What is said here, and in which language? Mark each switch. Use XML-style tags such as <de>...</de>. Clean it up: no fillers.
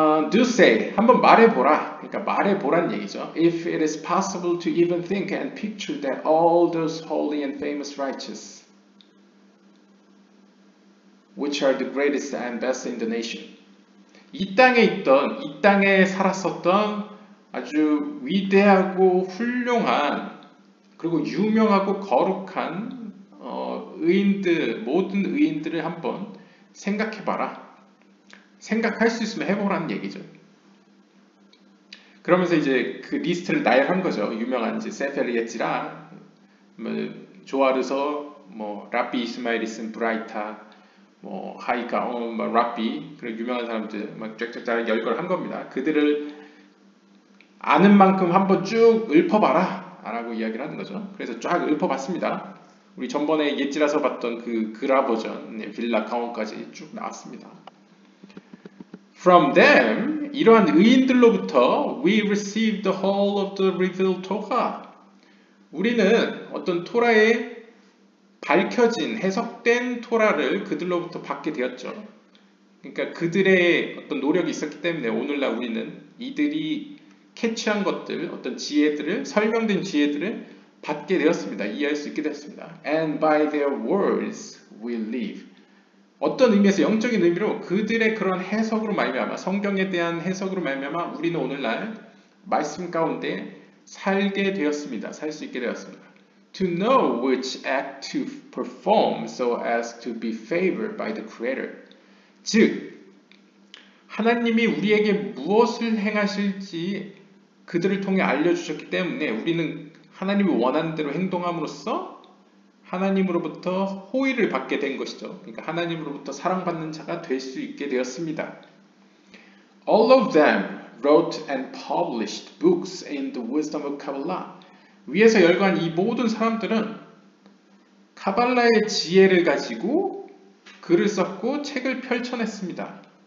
<en>Do say,</en> <ko>한번 말해보라. 그러니까 말해보란 얘기죠.</ko> <en>If it is possible to even think and picture that all those holy and famous righteous, which are the greatest and best in the nation.</en> <ko>이 땅에 있던, 이 땅에 살았었던 아주 위대하고 훌륭한 그리고 유명하고 거룩한 의인들, 모든 의인들을 한번 생각해봐라. 생각할 수 있으면 해보라는 얘기죠. 그러면서 이제 그 리스트를 나열한 거죠. 유명한 이제 세페리에찌랑 뭐 조아르서, 뭐 라피 이스마일리슨 브라이타, 뭐 하이카, 뭐 라피 그런 유명한 사람들 막 쫙쫙쫙 열거를 한 겁니다. 그들을 아는 만큼 한번 쭉 읊어봐라 라고 이야기를 하는 거죠. 그래서 쫙 읊어봤습니다. 우리 전번에 예찌라서 봤던 그 그라 버전의 빌라 강원까지 쭉 나왔습니다.</ko> <en>From them,</en> <ko>이러한 의인들로부터</ko> <en>we received the whole of the revealed Torah.</en> <ko>우리는 어떤 토라의 밝혀진, 해석된 토라를 그들로부터 받게 되었죠. 그러니까 그들의 어떤 노력이 있었기 때문에 오늘날 우리는 이들이 캐치한 것들, 어떤 지혜들을, 설명된 지혜들을 받게 되었습니다. 이해할 수 있게 되었습니다.</ko> <en>And by their words we live.</en> <ko>어떤 의미에서 영적인 의미로 그들의 그런 해석으로 말미암아, 성경에 대한 해석으로 말미암아 우리는 오늘날 말씀 가운데 살게 되었습니다. 살 수 있게 되었습니다.</ko> <en>To know which act to perform so as to be favored by the Creator.</en> <ko>즉, 하나님이 우리에게 무엇을 행하실지 그들을 통해 알려주셨기 때문에 우리는 하나님이 원하는 대로 행동함으로써 하나님으로부터 호의를 받게 된 것이죠. 그러니까 하나님으로부터 사랑받는 자가 될 수 있게 되었습니다.</ko> <en>All of them wrote and published books in the wisdom of Kabbalah.</en> <ko>위에서 열거한 이 모든 사람들은 카발라의 지혜를 가지고 글을 썼고 책을 펼쳐냈습니다.</ko>